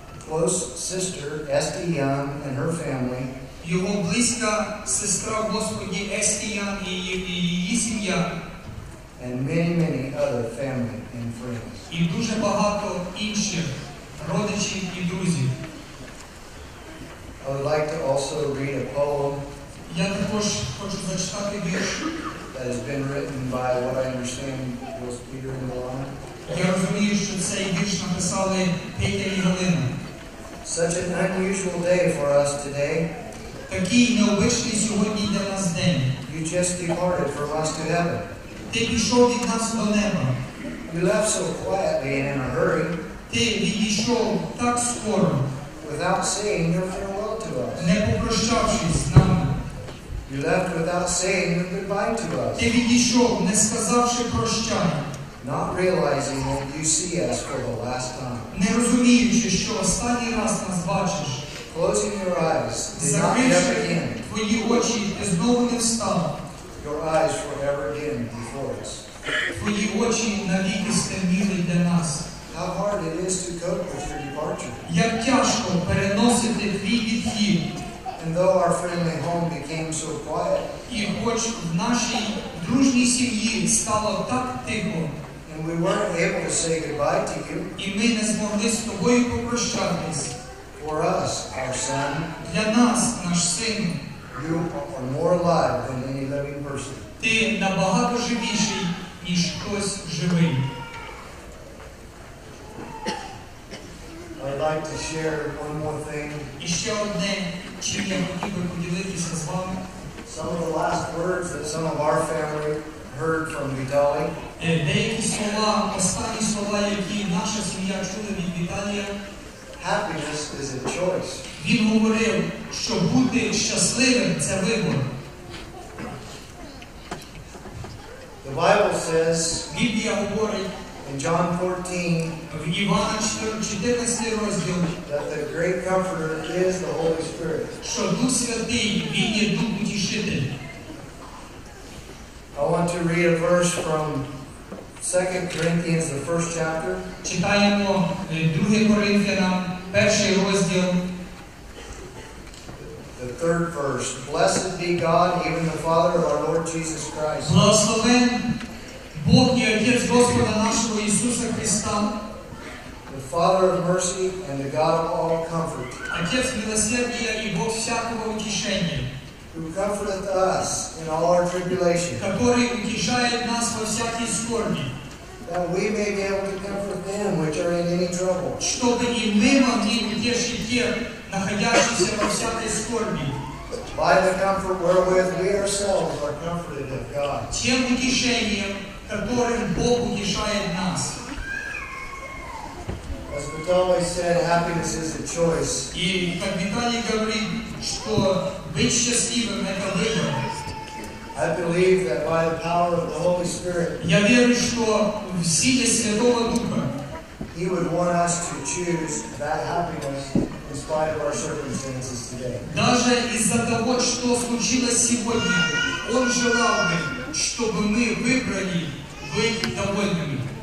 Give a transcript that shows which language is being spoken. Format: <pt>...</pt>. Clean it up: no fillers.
<en>Close sister Esti Young and her family.</en> <uk>Його близька сестра Господі Esti Young і її сім'я.</uk> <en>And many, many other family and friends.</en> <uk>І дуже багато інших родичів і друзів.</uk> <en>I would like to also read a poem.</en> <uk>Я також хочу зачитати вірш.</uk> <en>That has been written by what I understand was Peter and Milan.</en> <uk>Я розумію, що цей вірш написали Петя і Галина.</uk> <en>Such an unusual day for us today.</en> <uk>Такий необичний сьогодні для нас день.</uk> <en>You just departed from us to heaven.</en> <uk>Ти пішов від нас до неба.</uk> <en>You left so quietly and in a hurry.</en> <uk>Ти відійшов так скоро.</uk> <en>Without saying your farewell to us.</en> <uk>Не попрощавшись з нами.</uk> <en>You left without saying goodbye to us.</en> <uk>Ти відійшов, не сказавши прощання.</uk> <en>Not realizing that you see us for the last time.</en> <uk>Не розуміючи, що останній раз нас бачиш.</uk> <en>Closing your eyes,</en> <uk>твої очі ти знову не встав.</uk> <en>Your eyes forever again before us.</en> <uk>Твої очі навіки стемніли для нас.</uk> <en>How hard it is to cope with your departure.</en> <uk>Як тяжко переносити твій відхід.</uk> <en>And though our friendly home became so quiet.</en> <uk>І хоч в нашій дружній сім'ї стало так тихо.</uk> <en>And we weren't able to say goodbye to you.</en> <uk>І ми не змогли з тобою попрощатись.</uk> <en>For us, our son.</en> <uk>Для нас, наш син.</uk> <en>You are more alive than any living person.</en> <uk>Ти набагато живіший, ніж хтось живий.</uk> <en>I'd like to share one more thing.</en> <uk>І ще одне, чим я хотів би поділитися з вами.</uk> <en>Some of the last words that some of our family heard from Vitaly.</en> <uk>Деякі слова, останні слова, які наша сім'я чула від Віталія.</uk> <en>Happiness is a choice.</en> <uk>Він говорив, що бути щасливим – це вибор.</uk> <en>The Bible says,</en> <uk>Біблія говорить,</uk> <en>in John 14,</en> <uk>в Івана 14 розділ,</uk> <en>that the great comforter is the Holy Spirit.</en> <uk>Що Дух Святий, Він є Дух Утішитель.</uk> <en>I want to read a verse from 2 Corinthians, the first chapter.</en> <uk>Читаємо 2 Коринфянам, перший розділ.</uk> <en>The third verse. Blessed be God, even the Father of our Lord Jesus Christ.</en> <uk>Благословен Бог є Отець Господа нашого Ісуса Христа.</uk> <en>The Father of mercy and the God of all comfort.</en> <uk>Отець милосердия і Бог всякого утішення.</uk> <en>Who comforteth us in all our tribulation.</en> <ru>Который</ru> <uk>утішає нас во всякій скорбі.</uk> <en>That we may be able to comfort them which are in any trouble.</en> <ru>Чтобы и мы могли утешить тех, находящихся во всякой скорби.</ru> <en>By the comfort wherewith we ourselves are comforted of God.</en> <ru>Тем утешением, которым Бог утешает нас.</ru> <en>As Vitaly said, happiness is a choice.</en> <ru>И как Виталий говорит, что быть счастливым — это выбор.</ru> <en>I believe that by the power of the Holy Spirit.</en> <uk>Я</uk> <ru>верю,</ru> <uk>що в силі Святого Духа.</uk> <en>He would want us to choose that happiness in spite of our circumstances today.</en> <ru>Даже</ru> <uk>із-за того, що</uk> <ru>случилось</ru> <uk>сьогодні, Он желав би, щоб ми вибрали бути довольними.</uk>